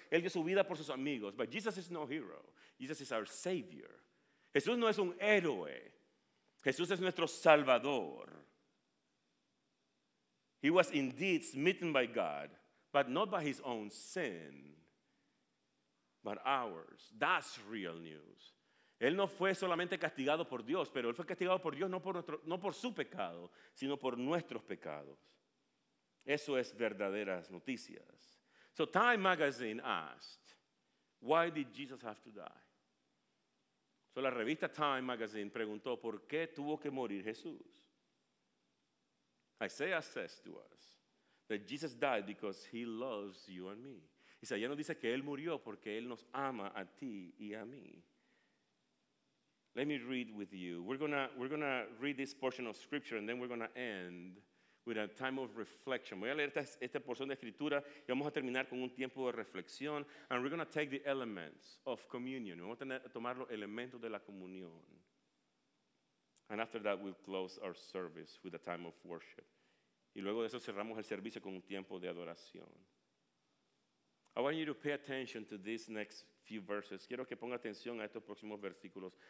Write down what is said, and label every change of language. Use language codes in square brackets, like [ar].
[es] Él dio su vida por sus amigos. [en] But Jesus is no hero. Jesus is our savior. [es] Jesús no es un héroe. Jesús es nuestro salvador. [en] He was indeed smitten by God, but not by his own sin, but ours. That's real news. [es] Él no fue solamente castigado por Dios, pero él fue castigado por Dios no por su pecado, sino por nuestros pecados. Eso es verdaderas noticias. [en] So Time Magazine asked, why did Jesus have to die? [es] So la revista Time Magazine preguntó, ¿por qué tuvo que morir Jesús? [en] Isaiah says to us that Jesus died because he loves you and me. [es] Isaiah nos dice que él murió porque él nos ama a ti y a mí. [en] Let me read with you. We're gonna read this portion of scripture and then we're gonna end with a time of reflection. [es] Voy a leer esta porción de escritura y vamos a terminar con un tiempo de reflexión. [en] And we're gonna take the elements of communion. [es] Vamos a tomar los elementos de la comunión. [en] And after that, we'll close our service with a time of worship. [es] Y luego de eso cerramos el servicio con un tiempo de adoración. [en] I want you to pay attention to these next few verses. [es] Quiero que ponga atención a estos próximos versículos.